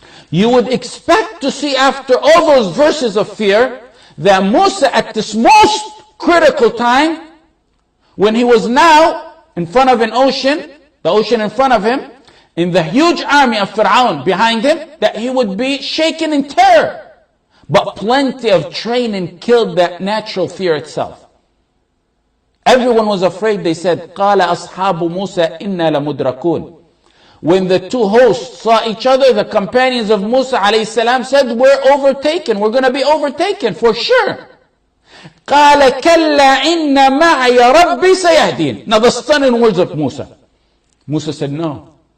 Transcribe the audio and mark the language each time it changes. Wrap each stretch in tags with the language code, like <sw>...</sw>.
<en>You would expect to see after all those verses of fear that Musa at this most critical time, when he was now in front of an ocean, the ocean in front of him, in the huge army of Fir'aun behind him, that he would be shaken in terror. But plenty of training killed that natural fear itself. Everyone was afraid. They said,</en> <ar>قَالَ أَصْحَابُ مُوسَىٰ إِنَّا لَمُدْرَكُونَ.</ar> <en>When the two hosts saw each other, the companions of Musa alayhi salam said, we're overtaken, we're going to be overtaken for sure.</en> <ar>قَالَ كَلَّا إِنَّ مَعَيَ رَبِّي سَيَهْدِينَ.</ar> <en>Now the stunning words of Musa. Musa said, no.</en>